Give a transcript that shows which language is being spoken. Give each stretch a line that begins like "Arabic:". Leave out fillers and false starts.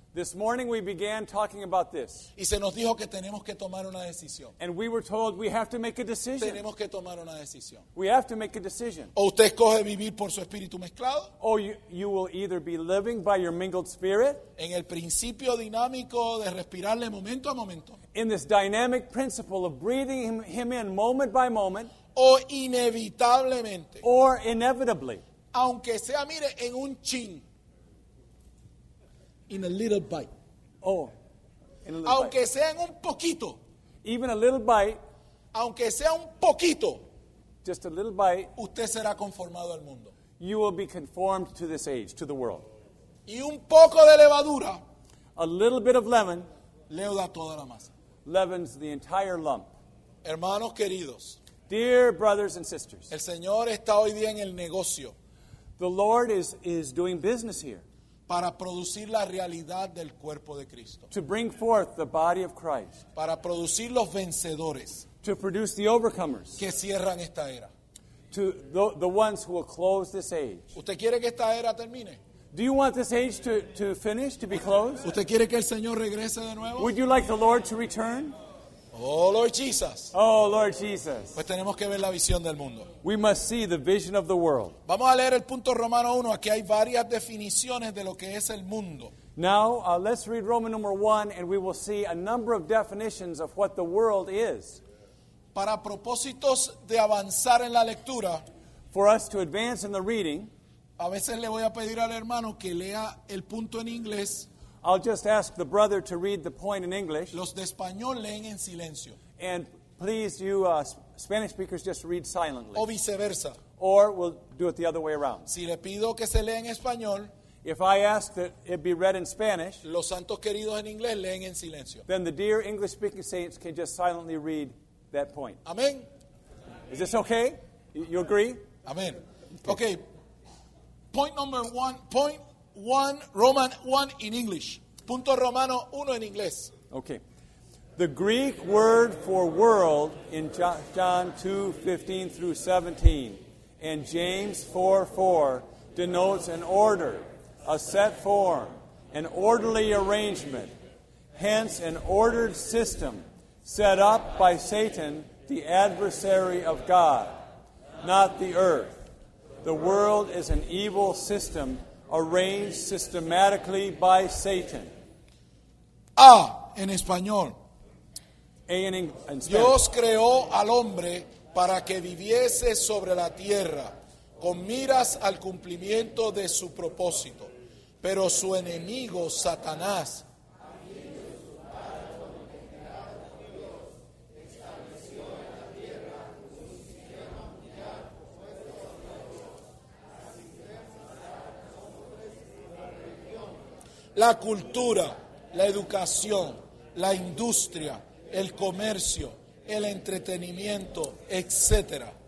English: This morning we began talking about this.
Spanish: Y se nos dijo que tenemos que tomar una decisión.
English: And we were told we have to make a decision.
Spanish: Tenemos que tomar una decisión.
English: We have to make a decision.
Spanish: O usted escoge vivir por su espíritu mezclado.
English: Or you will either be living by your mingled spirit.
Spanish: En el principio dinámico de respirarle momento a momento.
English: In this dynamic principle of breathing him in moment by moment.
Spanish: O inevitablemente.
English: Or inevitably.
Spanish: Aunque sea, mire, en un chin.
English: In a little bite. Oh, in a little
Spanish: aunque
English: bite.
Spanish: Sea en un poquito.
English: Even a little bite.
Spanish: Aunque sea un poquito.
English: Just a little bite.
Spanish: Usted será conformado al mundo.
English: You will be conformed to this age, to the world.
Spanish: Y un poco de levadura.
English: A little bit of leaven.
Spanish: Leuda toda la masa.
English: Leavens the entire lump.
Spanish: Hermanos queridos.
English: Dear brothers and sisters.
Spanish: El Señor está hoy día en el negocio.
English: The Lord is doing business here.
Spanish: Para producir la realidad del cuerpo de Cristo.
English: To bring forth the body of Christ.
Spanish: Para producir los vencedores.
English: To produce the overcomers.
Spanish: Que cierran esta era.
English: To the ones who will close this age.
Spanish: ¿Usted quiere que esta era termine?
English: Do you want this age to finish, to be closed?
Spanish: ¿Usted quiere que el Señor regrese de nuevo?
English: Would you like the Lord to return? Oh, Lord Jesus. Oh, Lord Jesus.
Spanish: Pues tenemos que ver la visión del mundo.
English: We must see the vision of the world.
Spanish: Vamos a leer el punto Romano 1. Aquí hay varias definiciones de lo que es el mundo.
English: Now, let's read Roman number 1 and we will see a number of definitions of what the world is.
Spanish: Para propósitos de avanzar en la lectura.
English: For us to advance in the reading.
Spanish: A veces le voy a pedir al hermano que lea el punto en inglés.
English: I'll just ask the brother to read the point in English.
Spanish: Los de español leen en silencio.
English: And please, you Spanish speakers, just read silently.
Spanish: O viceversa.
English: Or we'll do it the other way around.
Spanish: Si le pido que se lea en español.
English: If I ask that it be read in Spanish.
Spanish: Los santos queridos en inglés leen en silencio.
English: Then the dear English speaking saints can just silently read that point.
Spanish: Amén.
English: Is this okay? You agree? Amén. Okay. Point number one. Point. One, Roman one in English.
Spanish: Punto Romano uno en inglés.
English: Okay. The Greek word for world in John 2:15 through 17 and James 4:4 denotes an order, a set form, an orderly arrangement. Hence, an ordered system set up by Satan, the adversary of God, not the earth. The world is an evil system arranged systematically by Satan.
Spanish: A, en español.
English: A, in Spanish.
Spanish: Dios creó al hombre para que viviese sobre la tierra con miras al cumplimiento de su propósito. Pero su enemigo, Satanás, la cultura, la educación, la industria, el comercio, el entretenimiento, etc.